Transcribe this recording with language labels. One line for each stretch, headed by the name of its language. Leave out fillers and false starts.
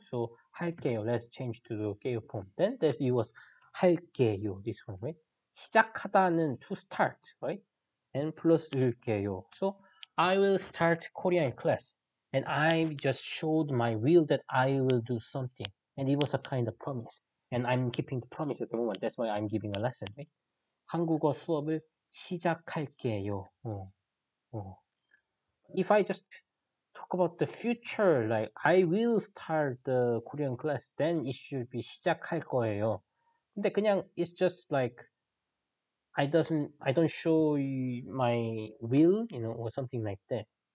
English: So 할게요. Let's change to the 게요 form. Then there's it was 할게요. This one, right? 시작하다는 to start, right? And plus 읽게요. So I will start Korean class, and I just showed my will that I will do something, and it was a kind of promise, and I'm keeping the promise at the moment. That's why I'm giving a lesson, right?
Korean: 한국어 수업을 시작할게요.
English: If I just talk about the future, like I will start the Korean class, then it should be 시작할 거예요.
Korean: 근데 그냥
English: it's just like I don't show my will, or something like that.